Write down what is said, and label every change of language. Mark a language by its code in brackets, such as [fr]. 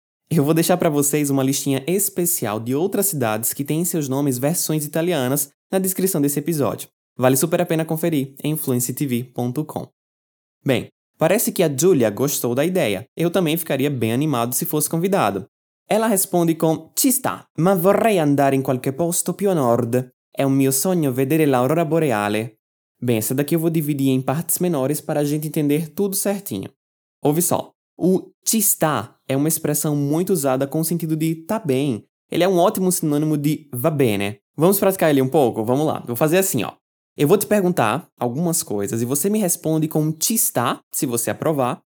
[pt] Eu vou deixar para vocês uma listinha especial de outras cidades que têm em seus nomes versões italianas na descrição desse episódio. Vale super a pena conferir em fluencytv.com. Bem, parece que a Giulia gostou da ideia. Eu também ficaria bem animado se fosse convidado. Ela responde com [it] "Ci sta, ma vorrei andare in qualche posto più a nord. È un mio sogno vedere l'aurora boreale." [pt] Bem, essa daqui eu vou dividir em partes menores para a gente entender tudo certinho. Ouve só. O "ci sta" é uma expressão muito usada com o sentido de "tá bem". Ele é um ótimo sinônimo de "va bene". Vamos praticar ele um pouco? Vamos lá. Vou fazer assim, ó. Eu vou te perguntar algumas coisas e você me responde com "ci sta", se você aprovar.